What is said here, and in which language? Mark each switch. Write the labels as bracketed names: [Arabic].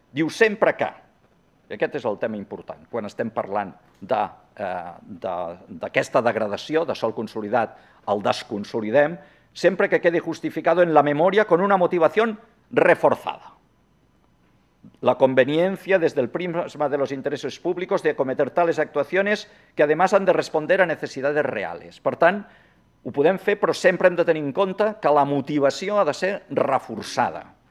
[Catalan] Diu, sempre que, i aquest és el tema important, quan estem parlant d'aquesta degradació de sòl consolidat, el desconsolidem, sempre que quedi [Spanish] justificado en la memòria con una motivación reforzada. la conveniencia desde el prisma de los intereses públicos de acometer tales actuaciones que además han de responder a necesidades reales. [Catalan] Per tant, ho podem fer, però sempre hem de tenir en compte que la motivació ha de ser reforçada.